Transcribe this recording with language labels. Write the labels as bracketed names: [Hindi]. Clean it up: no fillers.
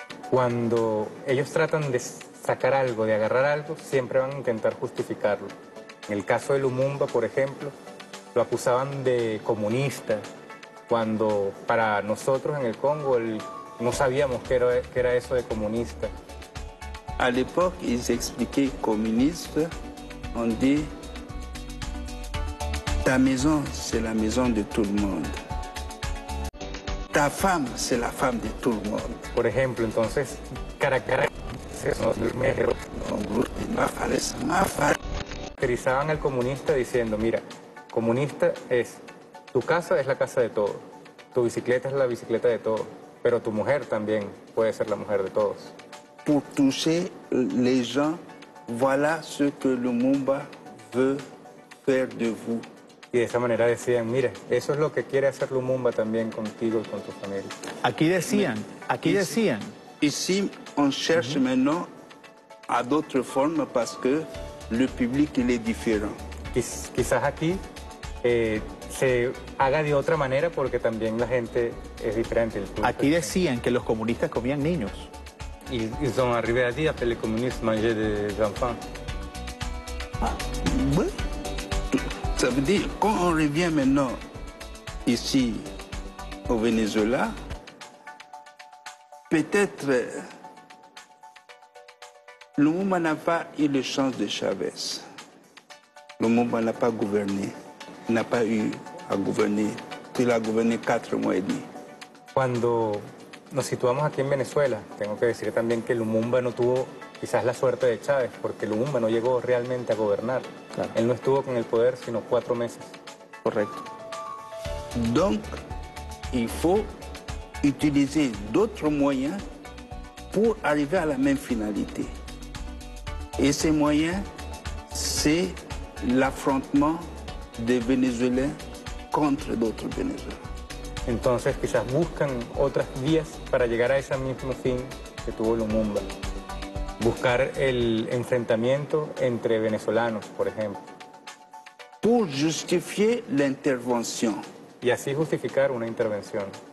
[Spanish] Cuando ellos tratan de sacar algo, de agarrar algo, siempre van a intentar justificarlo. En el caso de Lumumba, por ejemplo, lo acusaban de comunista, cuando para nosotros en el Congo no sabíamos qué era eso de comunista. [French] A l'époque, ils expliquaient comunista, on dit, ta maison, c'est la maison de tout le monde. Ta femme, c'est la femme de tout le monde. [Spanish] Por ejemplo, entonces, caracterizaban al comunista diciendo, mira, comunista es, tu casa es la casa de todos, tu bicicleta es la bicicleta de todos, pero tu mujer también puede ser la mujer de todos. [French] Pour toucher les gens, voilà ce que Lumumba veut faire de vous. [Spanish] Y de esa manera decían, mira, eso es lo que quiere hacer Lumumba también contigo y con tu familia. Aquí decían. [French] Ici, on cherche maintenant à d'autres formes parce que le public il est différent. [Spanish] Quizás aquí se haga de otra manera porque también la gente es diferente. Aquí decían que los comunistas comían niños. [French] Ils sont arrivés à dire que les communistes mangeaient des enfants. Ah, oui. Ça veut dire, quand on revient maintenant ici au Venezuela, peut-être Lumumba n'a pas eu la chance de Chavez. Lumumba n'a pas gouverné, n'a pas eu à gouverner. Il a gouverné 4 mois et demi. [Spanish] Cuando nos situamos aquí en Venezuela, tengo que decir también que Lumumba no tuvo quizás la suerte de Chávez, porque Lumumba no llegó realmente a gobernar. Claro. Él no estuvo con el poder sino 4 meses. Correcto. [French] Donc, il faut utiliser d'autres moyens pour arriver à la même finalité. Et ces moyens, c'est l'affrontement des Vénézuéliens contre d'autres Vénézuéliens. [Spanish] Entonces, quizás buscan otras vías para llegar a ese mismo fin que tuvo Lumumba. Buscar el enfrentamiento entre venezolanos, por ejemplo. [French] Pour justifier l'intervention. [Spanish] Y así justificar una intervención.